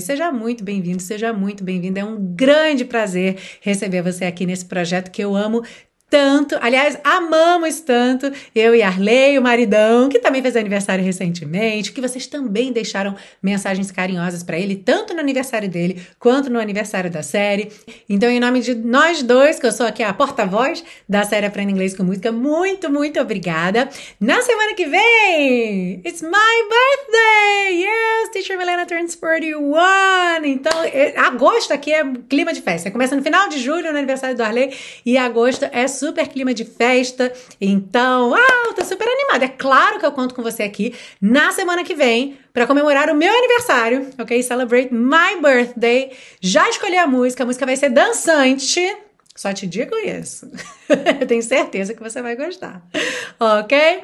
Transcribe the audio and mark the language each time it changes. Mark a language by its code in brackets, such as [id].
[pt] Seja muito bem-vindo. É um grande prazer receber você aqui nesse projeto que eu amo tanto, aliás, amamos tanto, eu e Arley, o maridão, que também fez aniversário recentemente, que vocês também deixaram mensagens carinhosas para ele, tanto no aniversário dele, quanto no aniversário da série. Então, em nome de nós dois, que eu sou aqui a porta-voz da série Aprenda Inglês com Música, muito obrigada. Na semana que vem, [en] it's my birthday! Yes, Teacher Milena turns 41! [pt] Então, agosto aqui é clima de festa, começa no final de julho, no aniversário do Arley, e agosto é super clima de festa, então, tô super animada, é claro que eu conto com você aqui na semana que vem, pra comemorar o meu aniversário, ok, [en] celebrate my birthday, [pt] já escolhi a música vai ser dançante, só te digo isso, eu tenho certeza que você vai gostar, ok?